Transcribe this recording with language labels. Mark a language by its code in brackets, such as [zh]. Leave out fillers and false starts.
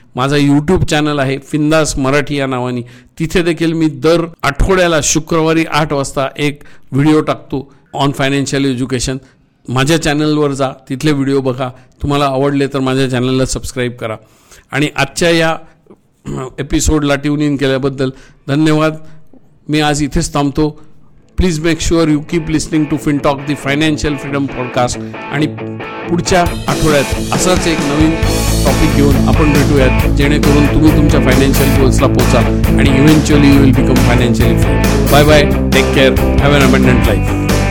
[mr] माझा YouTube channel आहे फिंदास मराठी या नावानी. तिथे देखील मी दर आठवड्याला शुक्रवारी 8 वाजता एक व्हिडिओ टाकतो [en] On financial education. [mr] माझ्या चॅनलवर जा, तिथले व्हिडिओ बघा. तुम्हाला आवडले तर माझ्या चॅनलला सबस्क्राईब करा. आणि आजच्या या एपिसोडला ट्यून इन केल्याबद्दल धन्यवाद. मी आज इथेच थांबतो. [en] Please make sure you keep listening to Fintalk the financial freedom podcast. [mr] आणि पुढच्या आठवड्यात असाच एक नवीन टॉपिक घेऊन आपण भेटूयात, जेणेकरून तुम्ही तुमच्या फायनान्शियल गोल्सला पोहोचा आणि [en] Eventually you will become financially free. Bye bye, take care, have an abundant life.